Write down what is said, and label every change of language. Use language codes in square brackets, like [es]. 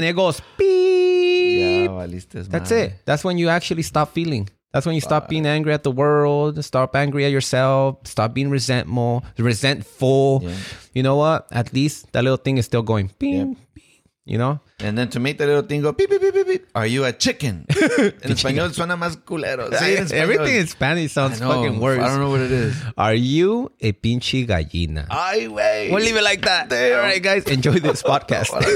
[en] When it goes beep, that's it. That's when you actually stop feeling. That's when you stop being angry at the world, stop angry at yourself, stop being resentful. Yeah. You know what? At least that little thing is still going, bing, bing, you know? And then to make that little thing go, beep, beep, beep, beep, beep, are you a chicken? [es] En español suena más culero. [en] Everything in Spanish sounds fucking worse. I don't know what it is. Are you a [es] pinche gallina? Ay, wey. [en] We'll leave it like that. Damn. All right, guys, enjoy this podcast.